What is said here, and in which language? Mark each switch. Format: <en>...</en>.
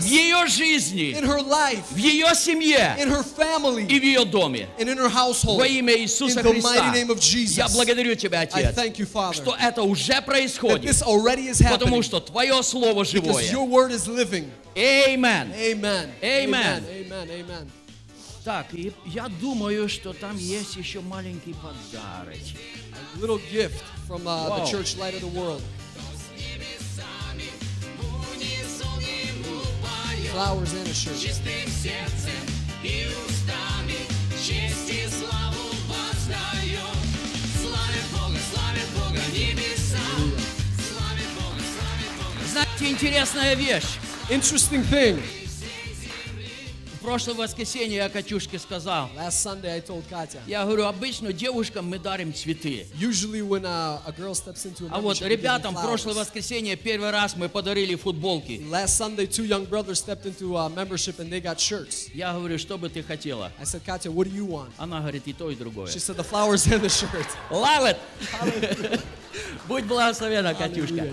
<ru>в ее жизни,</ru> <en>in her life,</en> <ru>в ее семье</ru> <en>in her family,</en> <ru>и в ее доме.</ru> <en>And in her household,</en> <ru>во имя Иисуса</ru> <en>in the</en> <ru>Христа</ru> <en>mighty name of Jesus.</en> <ru>Я благодарю Тебя, Отец,</ru> <en>I thank you, Father,</en> <ru>что это уже происходит,</ru> <en>that this already is happening,</en> <ru>потому что Твое Слово живое.</ru> <en>Because your word is living. Amen. Amen. Amen. Amen. Amen.</en> <uk>Так, і я думаю, що там є ще маленький подарочок.</uk> <en>A little gift from the church Light of the World. Flowers and a shirt.</en> <uk>Чистим серцем і устами, честь і славу воздаю. Славить Бога небесам. Славить Бога, славить Бога. Знаєте, інтересна вещь.</uk> <en>Interesting thing.</en> <ru>Прошлое воскресенье я Катюшке сказал.</ru> <en>Last Sunday I told Katya.</en> <ru>Я говорю, обычно девушкам мы дарим цветы.</ru> <en>Usually when a girl steps into a</en> <ru>А вот ребятам прошлое воскресенье первый раз мы подарили футболки.</ru> <en>Last Sunday two young brothers stepped into a membership and they got shirts.</en> <ru>Я говорю, что бы ты хотела?</ru> <en>I said, Katya, what do you want?</en> <ru>Она говорит, и то, и другое.</ru> <en>She said, the flowers and the shirt. Love it!</en> <uk>Будь благословена, Катюшка.</uk>